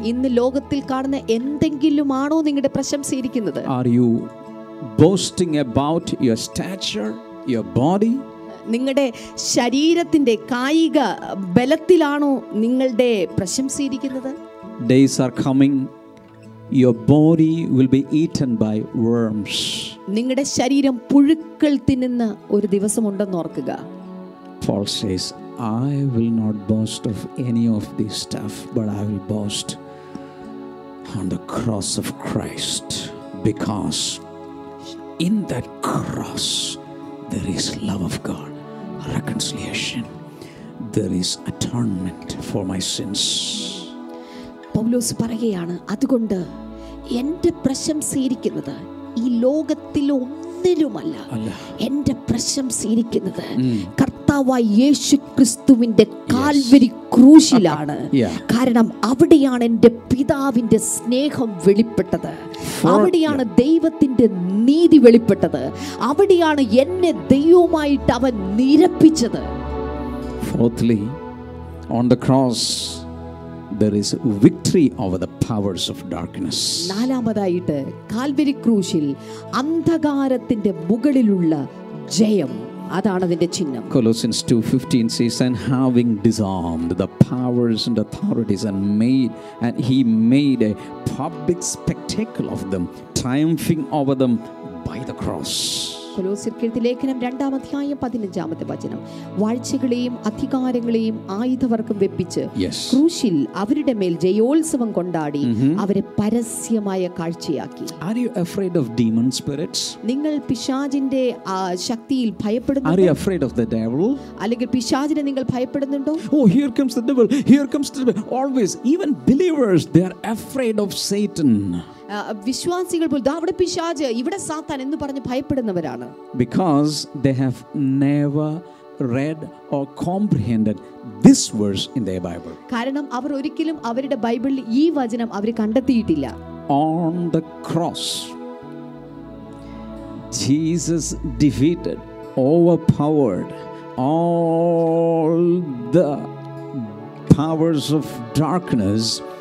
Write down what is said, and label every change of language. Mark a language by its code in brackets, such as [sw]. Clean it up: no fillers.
[ml] ഇന്ന് ലോകത്തിൽ കാണുന്ന എന്തെങ്കിലുമാണോ നിങ്ങളുടെ പ്രശംസ ഇരിക്കുന്നത്? [en] Are you boasting about your stature, your body? [ml] നിങ്ങളുടെ ശരീരത്തിന്റെ കായിക ബലത്തിലാണോ നിങ്ങളുടെ പ്രശംസിയിരിക്കുന്നത്? [en] Days are coming, your body will be eaten by worms. [ml] നിങ്ങളുടെ ശരീരം പുഴുക്കൾ തിന്നുന്ന ഒരു ദിവസം ഉണ്ടെന്ന് ഓർക്കുക. [en] Paul says, I will not boast of any of this stuff, but I will boast on the cross of Christ, because in that cross there is love of God, reconciliation, there is atonement for my sins. [ml] പൗലോസ് പറയുകയാണ്, അതുകൊണ്ട് എൻ്റെ പ്രശംസ ഇരിക്കുന്നത് ഈ ലോകത്തിൽ ഒന്നിലുമല്ല, എൻ്റെ പ്രശംസ ഇരിക്കുന്നത് കർത്താവായ യേശു ക്രിസ്തുവിൻ്റെ കാൽവരി ക്രൂശിലാണ്. കാരണം അവിടെയാണ് എൻ്റെ പിതാവിൻ്റെ സ്നേഹം വെളിപ്പെട്ടത്, അവിടെയാണ് ദൈവത്തിൻ്റെ നീതി വെളിപ്പെട്ടത്, അവിടെയാണ് എന്നെ ദൈവമായിട്ട് അവൻ നിരപ്പിച്ചത്. [en] Fourthly, on the cross there is victory over the powers of darkness. [ml] നാലാമതായിട്ട് കാൽവരി ക്രൂശിൽ അന്ധകാരത്തിന്റെ മുകളിലുള്ള ജയം, അതാണ് അതിന്റെ ചിഹ്നം. [en] Colossians 2:15 says, and having disarmed the powers and authorities and he made a public spectacle of them, triumphing over them by the cross. [ml] കൊലോസ്യർക്കെഴുത്തിലേഖനം 2:15 വാഴ്ചകളെയും അധികാരങ്ങളെയും ആയുധവർക്കും വെപ്പിച്ച് ക്രൂശിൽ അവരുടെ മേൽ ജയോത്സവം കൊണ്ടാടി അവരെ പരസ്യമായ കാഴ്ചയാക്കി. [en] Are you afraid of demon spirits? [ml] നിങ്ങൾ പിശാചിന്റെ ശക്തിയിൽ ഭയപ്പെടുന്നു? [en] Are you afraid of the devil? [ml] അല്ലെങ്കിൽ പിശാചിനെ നിങ്ങൾ ഭയപ്പെടുന്നുണ്ടോ? [en] Oh, here comes the devil, here comes the devil. Always, even believers, they are afraid of Satan. [ml] വിശ്വാസികൾ പോലും അവിടെ പിശാച്, ഇവിടെ സാത്താൻ എന്ന് പറഞ്ഞ് ഭയപ്പെടുന്നവരാണ്. [en] Because they have never read or comprehended this verse in the Bible. [ml] കാരണം അവർ ഒരിക്കലും അവരുടെ ബൈബിളിൽ ഈ വചനം അവർ കണ്ടെത്തിയിട്ടില്ല. [en] On the cross Jesus defeated, overpowered all the powers of darkness.